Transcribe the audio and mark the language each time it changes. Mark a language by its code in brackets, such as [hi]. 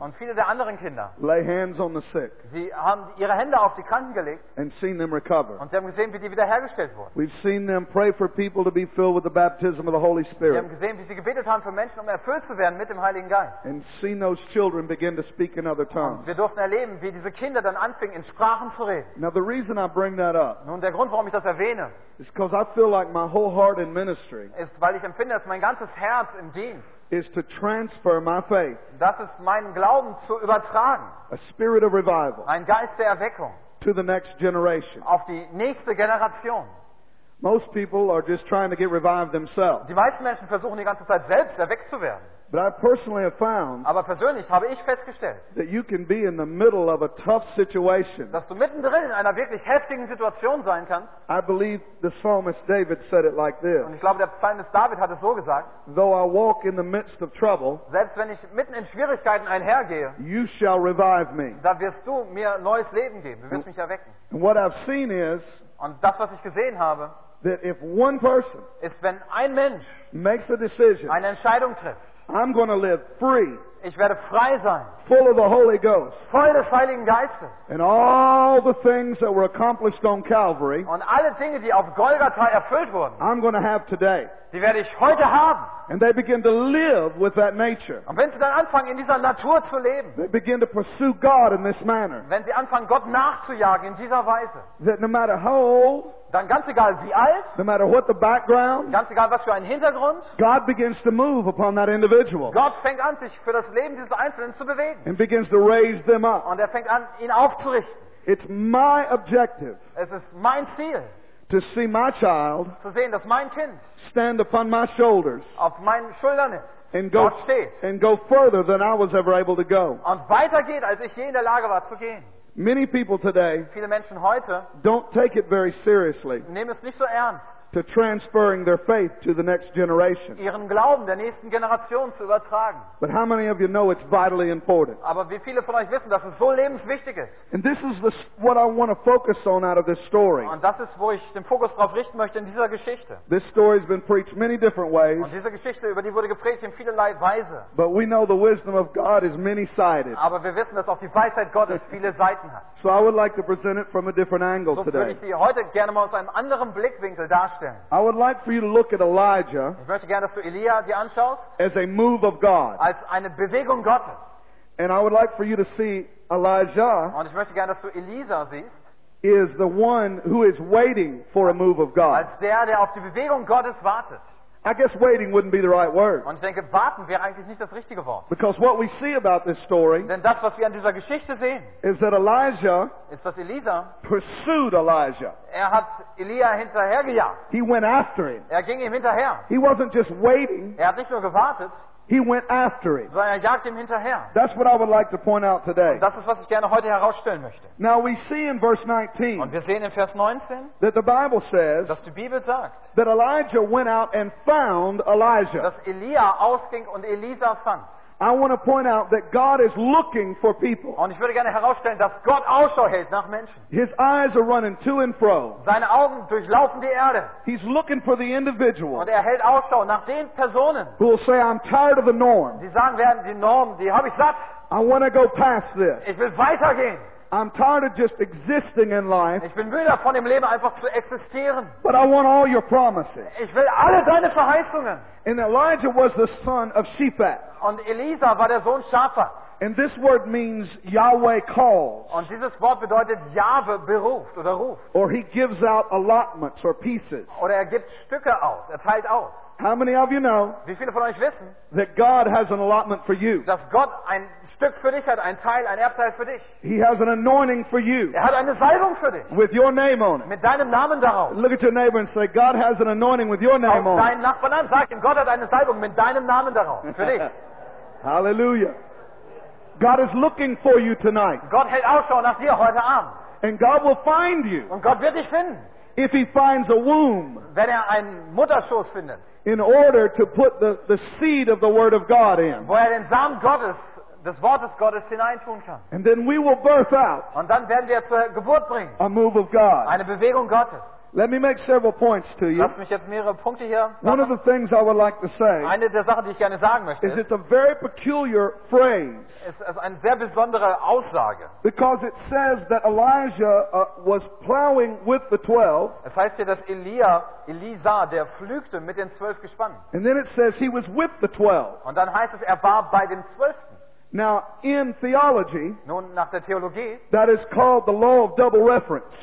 [de] und viele der anderen Kinder, [en] lay hands on the sick, [de] sie haben ihre Hände auf die Kranken gelegt, [en] and seen them recover. [de] Und sie haben gesehen, wie die wiederhergestellt wurden. [en] We've seen them pray for people to be filled with the baptism of the Holy Spirit. [de] Wir haben gesehen, wie sie gebetet haben für Menschen, um erfüllt zu werden mit dem Heiligen Geist. [en] And seen those children begin to speak in other tongues. [de] Und wir durften erleben, wie diese Kinder dann anfingen, in Sprachen zu reden. [en] Now the reason I bring that up, [de] nun der Grund, warum ich das erwähne, [en] it's because I feel like my whole heart in ministry [de] is, weil ich empfinde, dass mein ganzes Herz im Dienst [en] is to transfer my faith, [de] das ist meinen Glauben zu übertragen, [en] a spirit of revival, [de] ein Geist der Erweckung, [en] to the next generation, [de] auf die nächste Generation. [en] Most people are just trying to get revived themselves. [de] Die meisten Menschen versuchen die ganze Zeit selbst erweckt zu werden. [en] But I personally have found, [de] aber persönlich habe ich festgestellt, [en] that you can be in the middle of a tough situation, [de] dass du mittendrin in einer wirklich heftigen Situation sein kannst. [en] I believe the psalmist David said it like this. [de] Und ich glaube, der Psalmist David hat es so gesagt. [en] Though I walk in the midst of trouble, [de] selbst wenn ich mitten in Schwierigkeiten einhergehe, [en] you shall revive me. [de] Da wirst du mir neues Leben geben. Du wirst mich erwecken. [en] And what I've seen is, [de] und das, was ich gesehen habe, [en] that if one person [de] ist, wenn ein Mensch [en] makes a decision, [de] eine Entscheidung trifft, [en] I'm going to live free. [de] Ich werde frei sein. [en] Full of the Holy Ghost. [de] Voll des Heiligen Geistes. [en] And all the things that were accomplished on Calvary. [de] Und alle Dinge, die auf Golgatha erfüllt wurden. [en] I'm going to have today. [de] Die werde ich heute haben. [en] And they begin to live with that nature. [de] Und wenn sie dann anfangen, in dieser Natur zu leben. [en] They begin to pursue God in this manner. [de] Wenn sie anfangen, Gott nachzujagen in dieser Weise. [en] That no matter how old, [de] dann ganz egal wie alt, [en] no matter what the background, [de] ganz egal was für ein Hintergrund, [en] God begins to move upon that individual. [de] Gott fängt an, sich für das Leben dieses Einzelnen zu bewegen. [en] And begins to raise them up. [de] Und er fängt an, ihn aufzurichten. [en] It's my objective. [de] Es ist mein Ziel. [en] To see my child, [de] zu sehen, dass mein Kind [en] stand upon my shoulders, [de] auf meinen Schultern ist, [en] and go, [de] dort steht, [en] and go further than I was ever able to go. [de] Und weiter geht, als ich je in der Lage war zu gehen. [en] Many people today, [de] viele Menschen heute, [en] don't take it very seriously, [de] nehmen es nicht so ernst, [en] to transferring their faith to the next generation, [de] ihren Glauben der nächsten Generation zu übertragen. [en] But how many of you know it's vitally important? [de] Aber wie viele von euch wissen, dass es so lebenswichtig ist? [en] And this is what I want to focus on out of this story. [de] Und das ist, wo ich den Fokus drauf richten möchte in dieser Geschichte. [en] This story has been preached many different ways. [de] Und diese Geschichte, über die wurde gepredigt in vielerlei Weise. [en] But we know the wisdom of God is many-sided. [de] Aber wir wissen, dass auch die Weisheit Gottes viele Seiten hat. [en] So I would like to present it from a different angle today. [de] So würde ich sie heute gerne mal aus einem anderen Blickwinkel darstellen. [en] I would like for you to look at Elijah, [de] ich möchte gerne, dass du Elia dir anschaust, [en] as a move of God, [de] als eine Bewegung Gottes. [en] And I would like for you to see Elijah, [de] und ich möchte gerne, dass du Elisa siehst, [en] is the one who is waiting for a move of God, [de] als der, der auf die Bewegung Gottes wartet. [en] I guess waiting wouldn't be the right word. [de] Und ich denke, warten wäre eigentlich nicht das richtige Wort. [en] Because what we see about this story, [de] denn das, was wir an dieser Geschichte sehen, [en] is that Elijah, [de] ist, dass Elisa, [en] pursued Elijah. [de] Er hat Elia hinterhergejagt. [en] He went after him. [de] Er ging ihm hinterher. [en] He wasn't just waiting. [de] Er hat nicht nur gewartet. [en] He went after him. [de] Sondern er jagt ihm hinterher. [en] That's what I would like to point out today. [de] Und das ist, was ich gerne heute herausstellen möchte. [en] Now we see in verse 19, [de] und wir sehen in Vers 19, [en] that the Bible says, [de] dass die Bibel sagt, [en] that Elijah went out and found Elijah. [de] Dass Elia ausging und Elisa fand. [en] I want to point out that God is looking for people. [de] Und ich würde gerne herausstellen, dass Gott Ausschau hält nach Menschen. [en] His eyes are running to and fro. [de] Seine Augen durchlaufen die Erde. [en] He's looking for the individual. [de] Und hält Ausschau nach den Personen. [en] Who will say, I'm tired of the norm. [de] Die sagen werden, die Norm, die habe ich satt. [en] I want to go past this. [de] Ich will weitergehen. [en] I'm tired of just existing in life. [de] Ich bin müde davon, im Leben einfach zu existieren. [en] But I want all your promises. [de] Ich will alle deine Verheißungen. [en] And Elijah was the son of Shaphat. [de] Und Elisa war der Sohn Shaphat. [en] And this word means Yahweh calls. [de] Und dieses Wort bedeutet Jahwe beruft oder ruft. [en] Or he gives out allotments or pieces. [de] Oder gibt Stücke aus, teilt aus. [en] How many of you know? [de] Wie viele von euch wissen? [en] That God has an allotment for you. [de] Dass Gott ein Stück für dich hat, ein Teil, ein Erbteil für dich. [en] He has an anointing for you. [de] Hat eine Salbung für dich. [en] With your name on it. [de] Mit deinem Namen darauf. [en] Look at your neighbor and say, God has an anointing with your name on it. [de] Deinen Nachbarn an, sag ihm, Gott hat eine Salbung mit deinem Namen darauf für dich. [en] Hallelujah. God is looking for you tonight. [de] Gott hält Ausschau nach dir heute Abend. [en] And God will find you. [de] Und Gott wird dich finden. [en] If he finds a womb. [de] Wenn einen Mutterschoß findet. [en] In order to put the seed of the word of God in. [de] Wo den Samen Gottes, des Wortes Gottes hineintun kann. [en] And then we will birth out. [de] Und dann werden wir zur Geburt bringen. [en] A move of God. [de] Eine Bewegung Gottes. [en] Let me make several points to you. [de] Lass mich jetzt mehrere Punkte hier. [en] One of the things I would like to say. [de] Eine der Sachen, die ich gerne sagen möchte. [en] Is it's a very peculiar phrase. [de] Es ist eine sehr besondere Aussage. [en] Because it says that Elijah was plowing with the 12. [de] Es heißt hier, dass Elisa, der pflügte mit den 12 Gespannen. [en] And then it says he was with the 12. [de] Und dann heißt es, war bei den 12. [en] Now, in theology, [de] nun nach der Theologie, [en] that is called the law of double reference.